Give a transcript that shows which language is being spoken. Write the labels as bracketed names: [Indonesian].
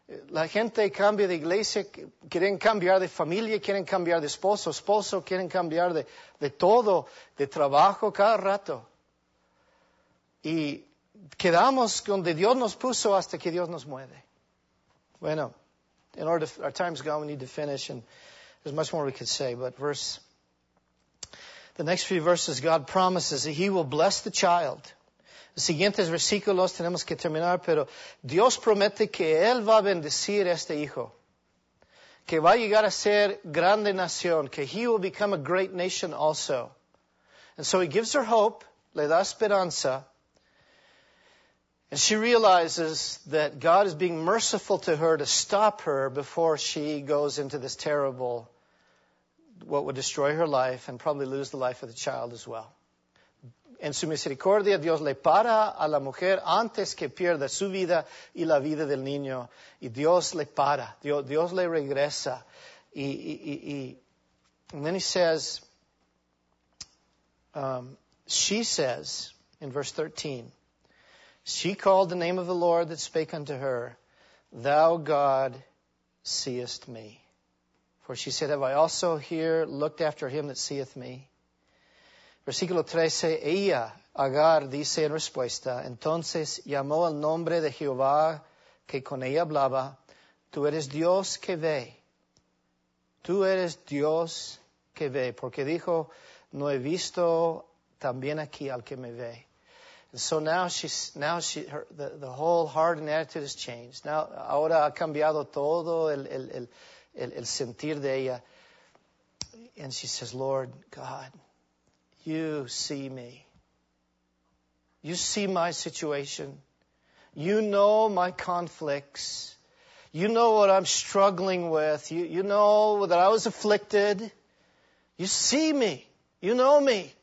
[Spanish] La gente cambia de iglesia, quieren cambiar de familia, quieren cambiar de esposo, quieren cambiar de todo, de trabajo, cada rato. Y quedamos donde Dios nos puso hasta que Dios nos mueve. [English] Bueno, in order our time's gone, we need to finish, and there's much more we could say, but the next few verses, God promises that He will bless the child. [Spanish] Siguientes versículos tenemos que terminar, pero Dios promete que Él va a bendecir a este hijo. Que va a llegar a ser grande nación. [English] Que He will become a great nation also. And so He gives her hope, [Spanish] le da esperanza. [English] And she realizes that God is being merciful to her to stop her before she goes into this terrible, what would destroy her life and probably lose the life of the child as well. [Spanish] En su misericordia, Dios le para a la mujer antes que pierda su vida y la vida del niño. Y Dios le para. Dios le regresa. [English] And then he says, she says, in verse 13, she called the name of the Lord that spake unto her, Thou God seest me. For she said, Have I also here looked after him that seeth me? [Spanish] Versículo 13, ella, Agar, dice en respuesta, entonces llamó al nombre de Jehová que con ella hablaba, tú eres Dios que ve, tú eres Dios que ve, porque dijo, no he visto también aquí al que me ve. [English] And so the whole heart and attitude has changed. [Spanish] Now, ahora ha cambiado todo el sentir de ella. [English] And she says, Lord, God, You see me. You see my situation. You know my conflicts. You know what I'm struggling with. You know that I was afflicted. You see me. You know me.